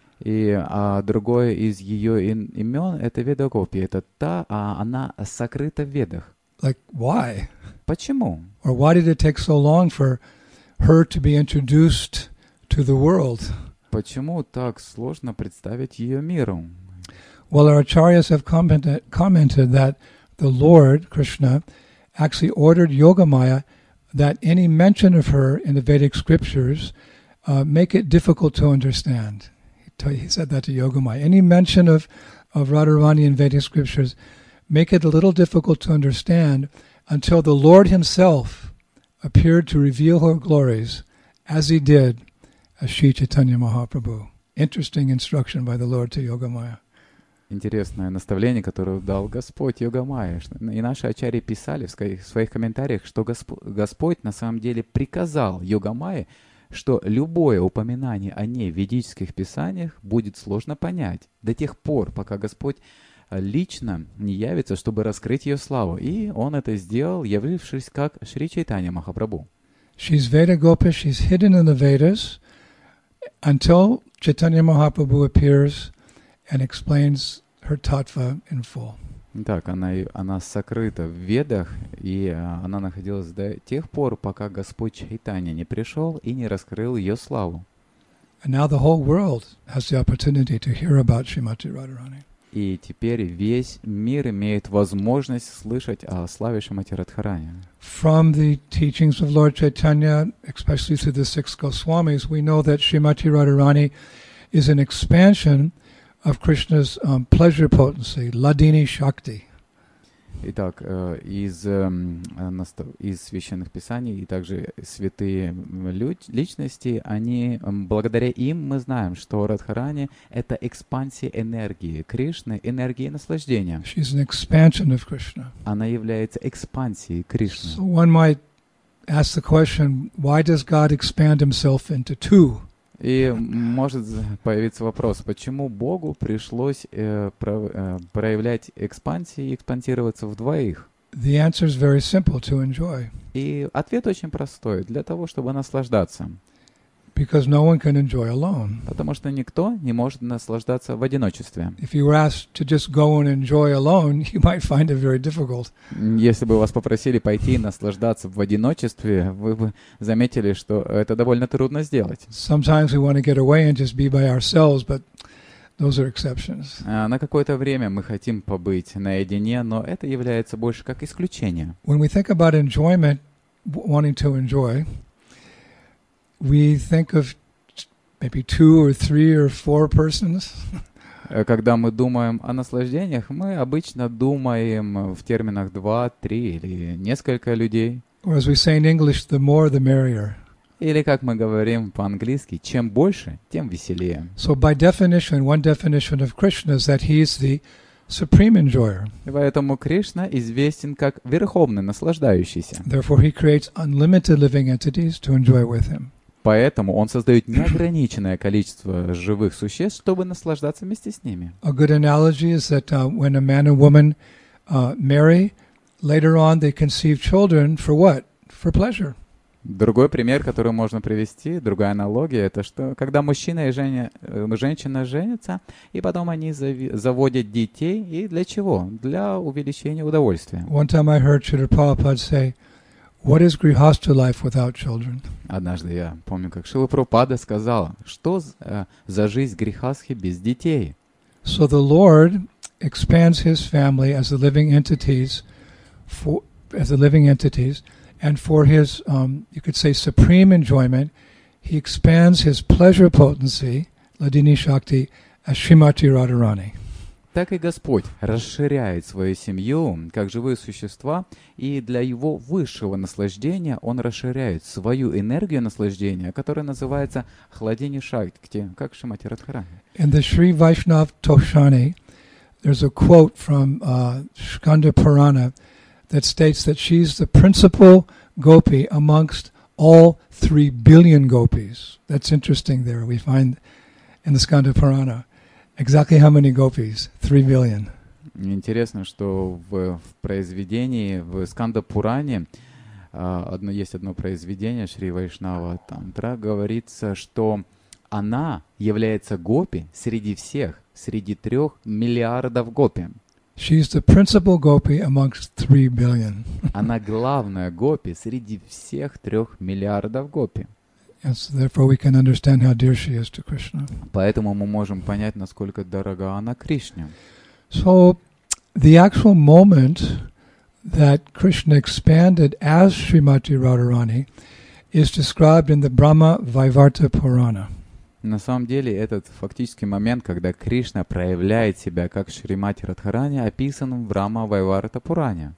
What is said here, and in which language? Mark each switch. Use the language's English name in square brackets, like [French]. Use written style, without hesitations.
[Russian] И другое из ее имен — это Веда Гопья. Это та, а она сокрыта в Ведах. [English] Like, why? [Russian] Почему? [English] Or why did it take so long for her to be introduced to the world? [Russian] Почему так сложно представить ее миру? [English] Well, our acharyas have commented that the Lord, Krishna, actually ordered Yogamaya that any mention of her in the Vedic scriptures make it difficult to understand. He said that to Yogamaya. Any mention of Radharani in Vedic scriptures make it a little difficult to understand until the Lord Himself appeared to reveal her glories as He did as Sri Chaitanya Mahaprabhu. Interesting instruction by the Lord to Yogamaya. [Russian] Интересное наставление, которое дал Господь Йогамайе. И наши ачарьи писали в своих комментариях, что Господь на самом деле приказал Йогамайе, что любое упоминание о ней в ведических писаниях будет сложно понять до тех пор, пока Господь лично не явится, чтобы раскрыть ее славу. И Он это сделал, явившись как Шри Чайтанья Махапрабху. [English] She's Veda Gopa, she's hidden in the Vedas until Chaitanya Mahaprabhu appears and explains her tattva in full. [Russian] Так, она сокрыта в Ведах, и она находилась до тех пор, пока Господь Чайтанья не пришел и не раскрыл ее славу. [English] And now the whole world has the opportunity to hear about Srimati Radharani. [Russian] И теперь весь мир имеет возможность слышать о славе Шримати Радхарани. [English] From the teachings of Lord Chaitanya, especially through the six Goswamis, we know that Srimati Radharani is an expansion of Krishna's pleasure potency, Ladini Shakti. [Russian] Итак, из священных писаний и также святые личности, они благодаря им мы знаем, что Радхарани это экспансия энергии Кришны, энергии наслаждения. [English] She's an expansion of Krishna. [Russian] Она является экспансией Кришны. [English] So one might ask the question, why does God expand Himself into two? [Russian] И может появиться вопрос, почему Богу пришлось проявлять экспансию и экспансироваться в двоих? [English] The answer is very simple, to enjoy. [Russian] И ответ очень простой, для того, чтобы наслаждаться. [English] Because no one can enjoy alone. [Russian] Потому что никто не может наслаждаться в одиночестве. [English] If you were asked to just go and enjoy alone, you might find it very difficult. [Russian] Если бы вас попросили пойти наслаждаться в одиночестве, вы бы заметили, что это довольно трудно сделать. [English] Sometimes we want to get away and just be by ourselves, but those are exceptions. [Russian] На какое-то время мы хотим побыть наедине, но это является больше как исключение. [English] When we think about enjoyment, wanting to enjoy, we think of maybe two or three or four persons. [Russian] Когда мы думаем о наслаждениях, мы обычно думаем в терминах два, три или несколько людей. [English] Or as we say in English, the more the merrier. [Russian] Или как мы говорим по-английски, чем больше, тем веселее. [English] So by definition, one definition of Krishna is that he is the supreme enjoyer. [Russian] Поэтому Кришна известен как верховный наслаждающийся. [English] Therefore, he creates unlimited living entities to enjoy with him. [Russian] Поэтому он создает неограниченное количество живых существ, чтобы наслаждаться вместе с ними. [English] A good analogy is that when a man and woman marry, later on they conceive children for what? For pleasure. [Russian] Другой пример, который можно привести, другая аналогия, это что, когда мужчина и женщина женятся, и потом они заводят детей, и для чего? Для увеличения удовольствия. [English] One time I heard Srila Prabhupada say, "What is grihastha life without children?" [Russian] Однажды я помню, как Шрила Прабхупада сказал, что за жизнь грихасхи без детей? [English] So the Lord expands His family as the living entities, And for his, you could say, supreme enjoyment, he expands his pleasure potency, Ladini Shakti, as Shrimati Radharani. [Russian] Так и Господь расширяет свою семью, как живые существа, и для его высшего наслаждения он расширяет свою энергию наслаждения, которая называется Хладини Шакти, как Шримати Радхарани. [English] In the Sri Vaishnav Toshani, there's a quote from Skanda Purana, that states that she's the principal gopi amongst all 3 billion gopis. That's interesting there. We find in the Skanda Purana exactly how many gopis? 3 billion. [Russian] Интересно, что в произведении, в Skanda Пуране, есть одно произведение Шри Вайшнава Тантра, говорится, что она является гопи среди всех, среди 3 миллиардов гопи. [English] She's the principal gopi amongst 3 billion. [Russian] Она главная гопи среди всех 3 миллиардов гопи. [English] And so therefore we can understand how dear she is to Krishna. [Russian] Поэтому мы можем понять, насколько дорога она Кришне. [English] So the actual moment that Krishna expanded as Srimati Radharani is described in the Brahma Vaivarta Purana. [Russian] На самом деле, этот фактический момент, когда Кришна проявляет себя как Шримати Радхарани, описан в Рама-Вайварата Пуране.